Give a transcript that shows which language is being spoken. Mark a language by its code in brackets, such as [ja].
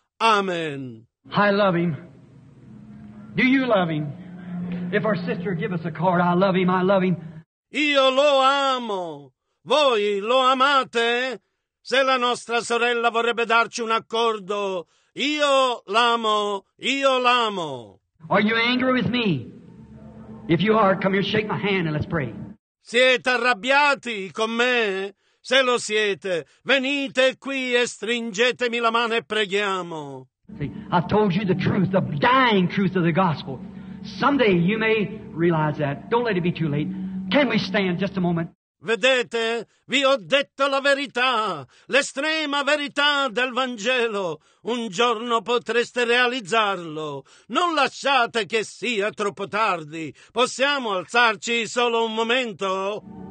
[en] Amen. I love him. Do you love him? If our sister give us a card, I love him, I love him. [it] Io lo amo. Voi lo amate? Se la nostra sorella vorrebbe darci un accordo, io l'amo, io l'amo. [en] Are you angry with me? If you are, come here, shake my hand and let's pray. [it] Siete arrabbiati con me? Se lo siete, venite qui e stringetemi la mano e preghiamo. [en] See, I've told you the truth, the dying truth of the gospel. Someday you may realize that. Don't let it be too late. Can we stand just a moment? [it] Vedete, vi ho detto la verità, l'estrema verità del Vangelo. Un giorno potreste realizzarlo. Non lasciate che sia troppo tardi. Possiamo alzarci solo un momento?